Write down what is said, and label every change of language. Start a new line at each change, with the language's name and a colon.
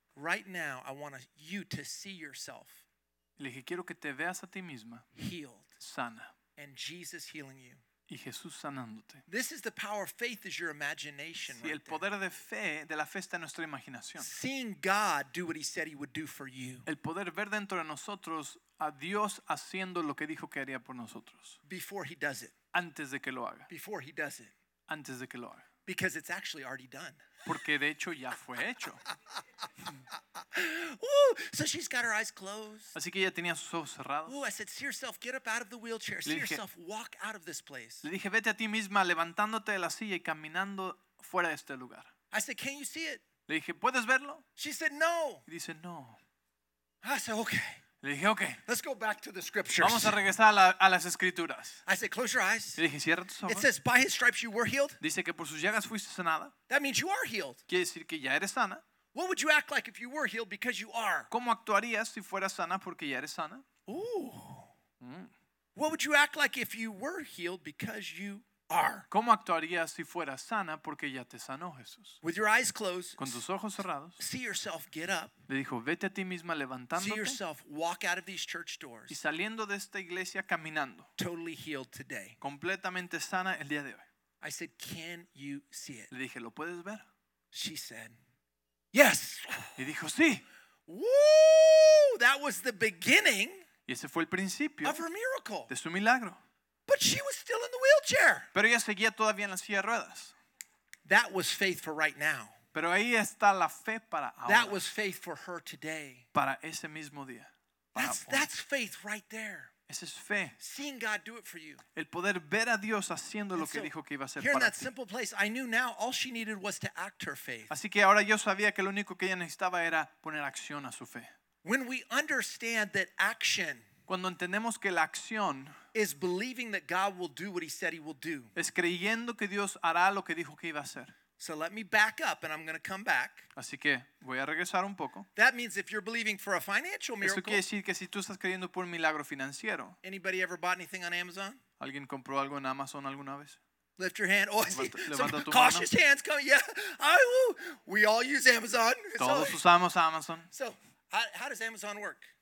English: "Right now, I want you to see yourself."
Spanish: Le dije, quiero que te veas a ti misma.
English: Healed.
Spanish: Sana.
English: And Jesus healing you.
Spanish: Y Jesús sanándote.
English: This is the power of faith is your imagination.
Spanish: Sí, el poder de fe, de la fe está en nuestra imaginación.
English: Seeing God do what he said he would do for you.
Spanish: El poder ver dentro de nosotros a Dios haciendo lo que dijo que haría por nosotros.
English: Before he does it.
Spanish: Antes de que lo haga.
English: Before he does it.
Spanish: Antes de que lo haga.
English: Because it's actually already done.
Spanish: Porque de hecho ya fue hecho.
English: Ooh, so she's got her eyes closed.
Spanish: Así que ella tenía sus ojos cerrados.
English: Ooh, I said, "See yourself, get up out of the wheelchair. See yourself, walk out of this place."
Spanish: Le dije, vete a ti misma levantándote de la silla y caminando fuera de este lugar.
English: I said, "Can you see it?"
Spanish: Le dije, ¿puedes verlo?
English: She said, "No."
Spanish: Y dice, no.
English: I said, "Okay."
Spanish: Le dije, okay.
English: Let's go back to the scriptures.
Spanish: Vamos a regresar a las escrituras.
English: I said, "Close your eyes."
Spanish: Le dije, cierra tus ojos.
English: It says, "By his stripes you were healed."
Spanish: Dice que por sus llagas fuiste sanada.
English: That means you are healed.
Spanish: Quiere decir que ya eres sana.
English: What would you act like if you were healed because you are?
Spanish: ¿Cómo actuarías si fueras sana porque ya eres sana? Ooh. Mm.
English: What would you act like if you were healed because you are?
Spanish: ¿Cómo actuarías si fueras sana porque ya te sanó Jesús?
English: With your eyes closed.
Spanish: Con tus ojos cerrados.
English: See yourself get up.
Spanish: Le dijo, vete a ti misma levantándote.
English: See yourself walk out of these church doors.
Spanish: Y saliendo de esta iglesia caminando.
English: Totally healed today.
Spanish: Completamente sana el día de hoy.
English: I said, "Can you see it?"
Spanish: Le dije, ¿lo puedes ver?
English: She said, "Yes."
Spanish: Y dijo, "Sí."
English: Woo! That was the beginning.
Spanish: Y ese fue el principio.
English: Of her miracle.
Spanish: De su milagro.
English: But she was still in the wheelchair.
Spanish: Pero ella seguía todavía en la silla de ruedas.
English: That was faith for right now.
Spanish: Pero ahí está la fe para ahora.
English: That was faith for her today.
Spanish: Para ese mismo día.
English: That's faith right there.
Spanish: Esa es fe.
English: Seeing God do it for you.
Spanish: El poder ver a Dios haciendo lo que dijo que iba a hacer para ti.
English: Here in that simple place, I knew now all she needed was to act her faith.
Spanish: Así que ahora yo sabía que lo único que ella necesitaba era poner acción a su fe.
English: When we understand that action.
Spanish: Cuando entendemos que la acción
English: is believing that God will do what he said he will do.
Spanish: Es creyendo que Dios hará lo que dijo que iba a hacer.
English: So let me back up and I'm going to come back.
Spanish: Así que voy a regresar un poco.
English: That means if you're believing for a financial miracle.
Spanish: Eso quiere decir que si tú estás creyendo por un milagro financiero.
English: Anybody ever bought anything on Amazon?
Spanish: ¿Alguien compró algo en Amazon alguna vez?
English: Lift your hand. Oh,
Spanish: levanta tu
English: cautious
Spanish: mano.
English: Hands coming. Yeah. We all use Amazon.
Spanish: Todos so, usamos Amazon.
English: So, how does Amazon work?